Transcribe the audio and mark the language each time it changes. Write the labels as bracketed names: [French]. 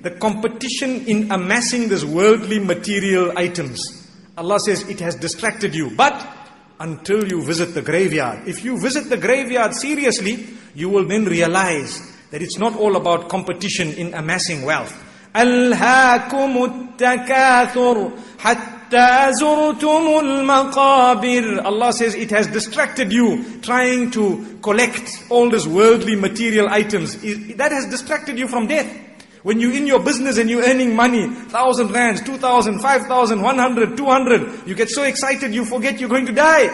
[English] The competition in amassing this worldly material items. Allah says it has distracted you. But until you visit the graveyard. If you visit the graveyard seriously, you will then realize that it's not all about competition in amassing wealth. [Arabic] أَلْهَاكُمُ التَّكَاثُرُ حَتَّى زُرْتُمُ الْمَقَابِرُ. [English] Allah says it has distracted you trying to collect all these worldly material items. That has distracted you from death. When you're in your business and you're earning money, 1,000 rands, 2,000, 5,000, 100, 200, you get so excited, you forget you're going to die.